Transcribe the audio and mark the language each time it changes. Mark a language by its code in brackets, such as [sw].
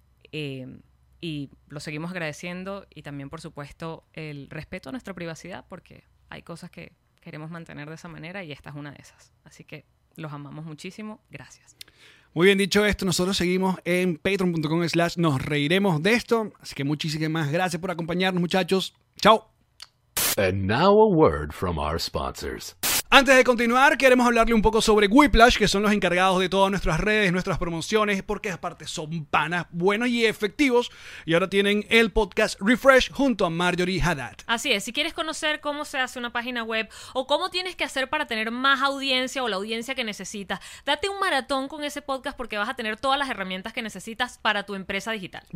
[es] Y lo seguimos agradeciendo y también, por supuesto, el respeto a nuestra privacidad, porque hay cosas que queremos mantener de esa manera y esta es una de esas. Así que los amamos muchísimo. Gracias. Muy bien, dicho esto, nosotros seguimos en patreon.com/nosreiremosdeesto. Así que muchísimas gracias por acompañarnos, muchachos. ¡Chao! [en] And now a word from our sponsors. [es] Antes de continuar, queremos hablarle un poco sobre Whiplash, que son los encargados de todas nuestras redes, nuestras promociones, porque aparte son panas buenos y efectivos, y ahora tienen el podcast Refresh junto a Marjorie Haddad. Así es, si quieres conocer cómo se hace una página web o cómo tienes que hacer para tener más audiencia o la audiencia que necesitas, date un maratón con ese podcast porque vas a tener todas las herramientas que necesitas para tu empresa digital.